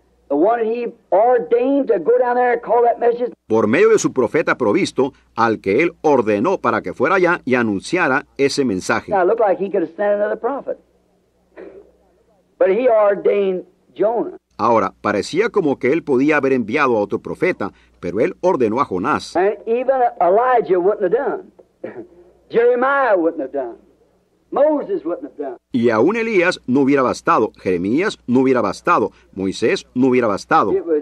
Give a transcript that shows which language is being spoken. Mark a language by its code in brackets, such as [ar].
[en] The one he ordained to go down there and call that message. [es] Por medio de su profeta provisto, al que él ordenó para que fuera allá y anunciara ese mensaje. [en] Now, it looked like he could have sent another prophet. But he ordained Jonah. [es] Ahora, parecía como que él podía haber enviado a otro profeta, pero él ordenó a Jonás. [en] And even Elijah wouldn't have done. Jeremiah wouldn't have done. Moses wouldn't have done. [es] Y aún Elías no hubiera bastado, Jeremías no hubiera bastado, Moisés no hubiera bastado.